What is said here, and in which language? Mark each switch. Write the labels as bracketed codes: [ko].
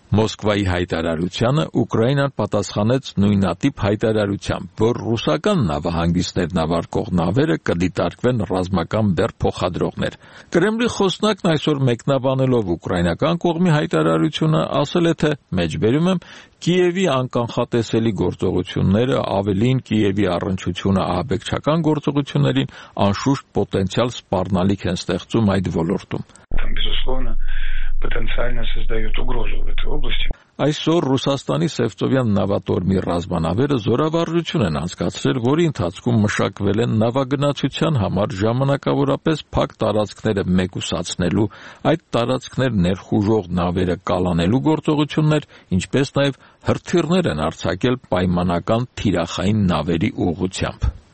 [hy] Մոսկվայի հայտարարությանը Ուկրաինան պատասխանեց նույնատիպ հայտարարությամբ, որ ռուսական նավահանգիստներն ավարկող նավերը կդիտարկվեն ռազմական բեռ փոխադրողներ։ Կրեմլի խոսնակն այսօր մեկնաբանելով ուկրաինական կողմի հայտարարությունը ասել է, թե «մեջբերում եմ Կիևի անկանխատեսելի գործողությունները, ավելին Կիևի առնչությունը ահաբեկչական գործողություններին անշուշտ պոտենցիալ սպառնալիք են ստեղծում այդ ոլորտում»։ [ru] Потенциально создает угрозу в этой области. [hy] Այսօր Ռուսաստանի Սևծովյան նավատորմի ռազմանավերը զորավարություն են անցկացրել, որի ընթացքում մշակվել են նավագնացության համար ժամանակավորապես փակ տարածքները մեկուսացնելու, այդ տարածքներ ներխուժող նավերը կալանելու գործողություններ, ինչպես նաև հրթիռներ են արձակել պայմանական թիրախային նավերի ուղղությամբ։